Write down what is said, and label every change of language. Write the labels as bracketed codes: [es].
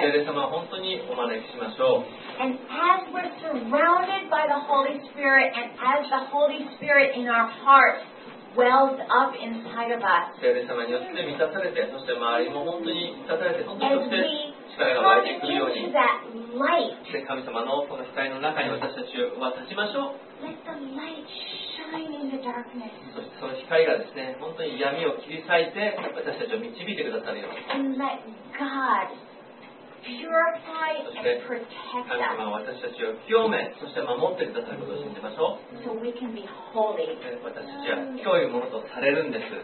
[ja] 聖霊様を本当にお招きしましょう。 [en] And as we're surrounded by the Holy Spirit, and as the Holy Spirit in our heart wells up inside of us, [ja] 聖霊様によって満たされて、そして周りも本当に満たされて、本当に力が湧いていくように。 [en] And we come into that light. [ja] 神様のこの光の中に私たちは立ちましょう。 [en] Let the light shine in the darkness. [ja] そしてその光がですね、本当に闇を切り裂いて、私たちを導いてくださるように。 [en] And let God. Purify and protect us. [ja] 神様は私たちを清め、そして守ってくださることを信じましょう。 [en] So we can be holy. [ja] 私たちは清いものとされるんです。